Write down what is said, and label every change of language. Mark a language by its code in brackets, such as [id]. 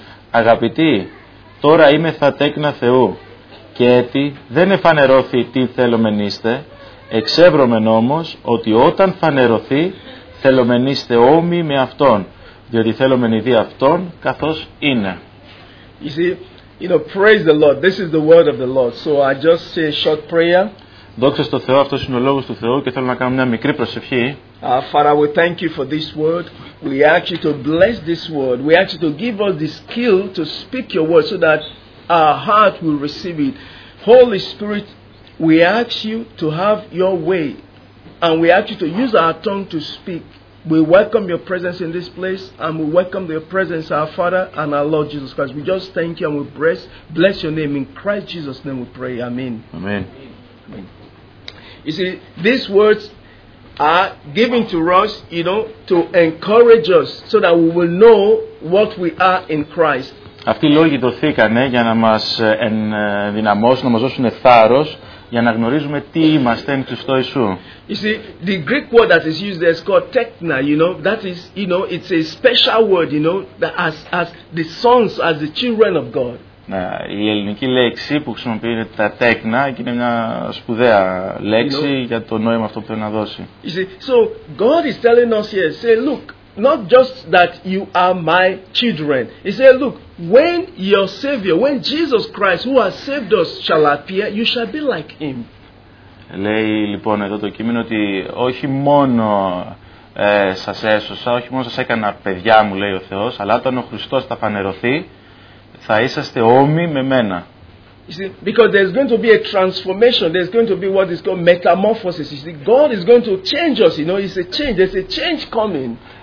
[el] Αγαπητοί, τώρα είμεθα τέκνα Θεού, και έτι δεν εφανερώθη τι θέλομεν είστε, εξεύρωμεν όμως ότι όταν φανερωθεί, θέλομεν είστε όμοι με Αυτόν. Διότι θέλουμε να δει αυτόν καθώς είναι. [en] You see, you know, praise the Lord. This is the word of the Lord. So I just say a short prayer. [el] Δόξα στον Θεό, αυτός είναι ο λόγος του Θεού και θέλω να κάνω μια μικρή προσευχή. [en] Father, we thank you for this word. We ask you to bless this word. We ask you to give us the skill to speak your word so that our heart will receive it. Holy Spirit, we ask you to have your way and we ask you to use our tongue to speak. We welcome your presence in this place and we welcome your presence, our Father and our Lord Jesus Christ. We just thank you and we bless your name. In Christ Jesus' name we pray. Amen. Amen. Amen. You see, these words are given to us, you know, to encourage us so that we will know what we are in Christ. [el] Αυτοί οι λόγοι δοθήκανε για να μας ενδυναμώσουν, να μας δώσουν θάρρος για να γνωρίζουμε τι είμαστε εν Χριστώ Ιησού. [en] You see, the Greek word that is used there is called tekna, you know, that is, you know, it's a special word, you know, that as the sons, as the children of God. [el] Η ελληνική λέξη που χρησιμοποιείται τα τέκνα και είναι μια σπουδαία λέξη για το νόημα αυτό που θέλει να δώσει. [en] You see, so God is telling us here, say, look, not just that you are my children. He said, look, when your Savior, when Jesus Christ, who has saved us, shall appear, you shall be like him. [el] Λέει λοιπόν εδώ το κείμενο ότι όχι μόνο σας έσωσα, όχι μόνο σας έκανα παιδιά μου, λέει ο Θεός, αλλά όταν ο Χριστός θα φανερωθεί, θα είσαστε όμοιοι με μένα. [en] You see, because there's going to be a transformation, there's going to be what is called metamorphosis. You see, God is going to change us, you know, it's a change, there's a change coming.